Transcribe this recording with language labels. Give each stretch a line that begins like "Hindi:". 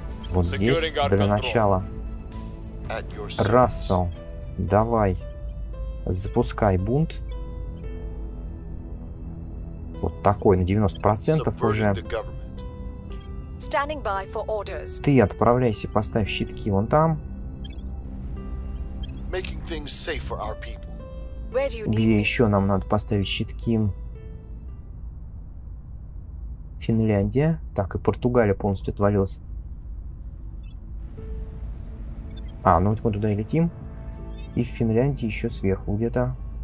Russian: Вот здесь, для начала. Рассел, давай. Запускай бунт. Вот такой, на 90% уже.
English: Standing by for orders.
Russian: Ты отправляйся, поставь щитки вон там.
English: Making things safe for our people. Where do you need
Russian: Где
English: me?
Russian: Еще нам надо поставить щитки? Финляндия. Так, и Португалия полностью отвалилась. А, ну вот мы туда и летим. И в Финляндии еще сверху где-то.